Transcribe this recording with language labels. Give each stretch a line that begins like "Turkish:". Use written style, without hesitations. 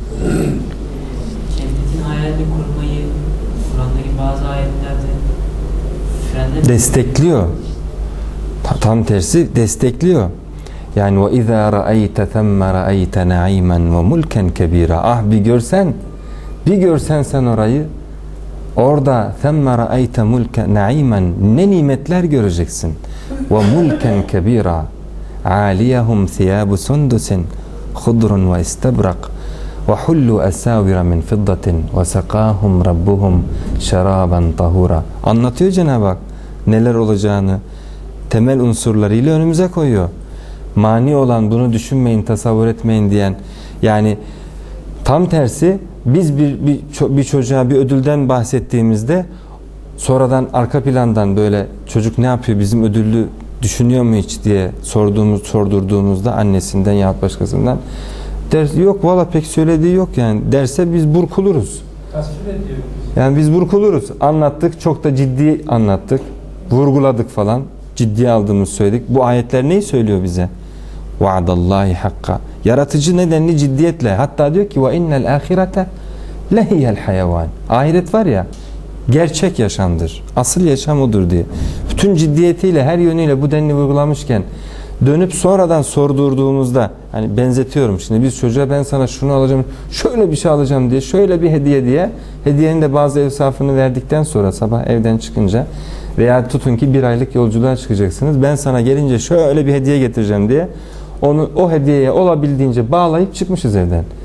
Turkish: Cennetin hayalini kurmayı Kur'an'daki bazı ayetlerde destekliyor. Tam tersi destekliyor. Yani
Arabic: وَإِذَا رَأَيْتَ ثَمَّ رَأَيْتَ نَعِيمًا وَمُلْكًا كَب۪يرًا.
Turkish: Ah bir görsen, bir görsen sen orayı, orada
Arabic: ثَمَّ رَأَيْتَ مُلْكًا نَعِيمًا,
Turkish: ne nimetler göreceksin.
Arabic: وَمُلْكًا كَب۪يرًا عَالِيَهُمْ ثِيَابُ سُنْدُسٍ خُضْرٌ وَاِسْتَبْرَقْ وَحُلُّ أَسَاوِرَ مِنْ فِضَّةٍ وَسَقَاهُمْ رَبُّهُمْ شَرَابًا طَهُورًا.
Turkish: Anlatıyor Cenab-ı Hak neler olacağını, temel unsurlarıyla önümüze koyuyor. Mani olan bunu düşünmeyin, tasavvur etmeyin diyen, yani tam tersi, biz bir çocuğa bir ödülden bahsettiğimizde sonradan arka plandan böyle çocuk ne yapıyor, bizim ödüllü düşünüyor mu hiç diye sordurduğumuzda annesinden yahut başkasından ders yok, valla pek söylediği yok yani derse biz burkuluruz. Yani biz burkuluruz, anlattık, çok da ciddi anlattık, vurguladık falan. Ciddiye aldığımızı söyledik. Bu ayetler neyi söylüyor bize? Va'dallahi hakka. Yaratıcı nedenli ciddiyetle. Hatta diyor ki
Arabic: وَاِنَّ الْاٰخِرَةَ لَهِيَ الْحَيَوَانِ.
Turkish: Ahiret var ya, gerçek yaşamdır. Asıl yaşam odur diye. Bütün ciddiyetiyle, her yönüyle bu denli vurgulamışken dönüp sonradan sordurduğumuzda, hani benzetiyorum şimdi, biz çocuğa ben sana şunu alacağım, şöyle bir şey alacağım diye, şöyle bir hediye diye, hediyenin de bazı evsafını verdikten sonra sabah evden çıkınca, veya tutun ki bir aylık yolculuğa çıkacaksınız, ben sana gelince şöyle bir hediye getireceğim diye onu, o hediyeye olabildiğince bağlayıp çıkmışız evden.